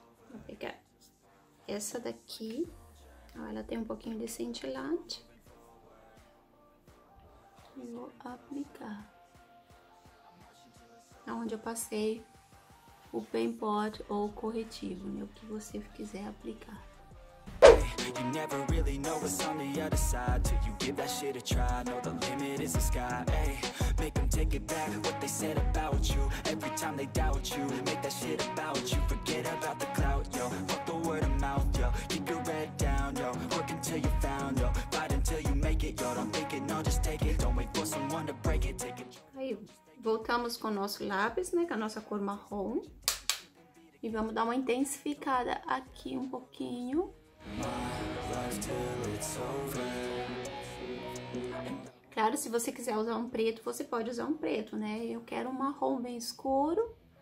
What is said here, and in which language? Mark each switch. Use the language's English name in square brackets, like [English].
[Portuguese] Vou pegar essa daqui. Ela tem um pouquinho de cintilante. Vou aplicar onde eu passei o Pen Pot ou o corretivo, né? O que você quiser aplicar. [English] You never really know what's on the other side till you give that shit a try. Know the limit is the sky. Hey, make them take it back what they said about you. Every time they doubt you, make that shit about you. Forget about the clout, yo. Fuck the word of mouth, yo. Keep your head down, yo. Work until you found, yo. Fight until you make it, yo. Don't think it, no, just take it. Don't wait for someone to break it. Take it. [Portuguese] Aí, voltamos com o nosso lápis, né? Com a nossa cor marrom. E vamos dar uma intensificada aqui um pouquinho. Claro, se você quiser usar um preto, você pode usar um preto, né? Eu quero um marrom bem escuro.